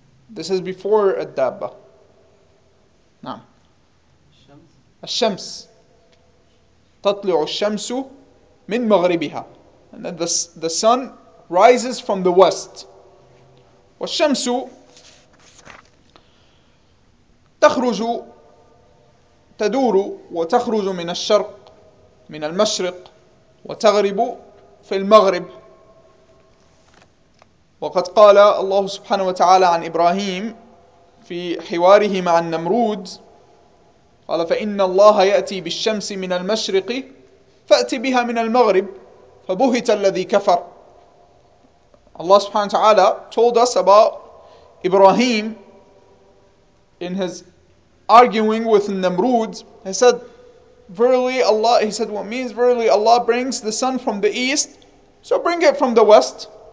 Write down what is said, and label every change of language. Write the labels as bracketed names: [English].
[English] This is before الدابة. [Arabic] نعم. الشمس. تطلع الشمس من مغربها. [English] And then the sun rises from the west. [Arabic] والشمس تخرج تدور وتخرج من الشرق من المشرق وتغرب في المغرب. وقد قال الله سبحانه وتعالى عن إبراهيم في حواره مع النمرود، قال: فإن الله يأتي بالشمس من المشرق فأتي بها من المغرب فبهت الذي كفر. [English] Allah subhanahu wa ta'ala told us about Ibrahim in his arguing with Namrud. He said, verily Allah, he said, what means verily Allah brings the sun from the east, so bring it from the west.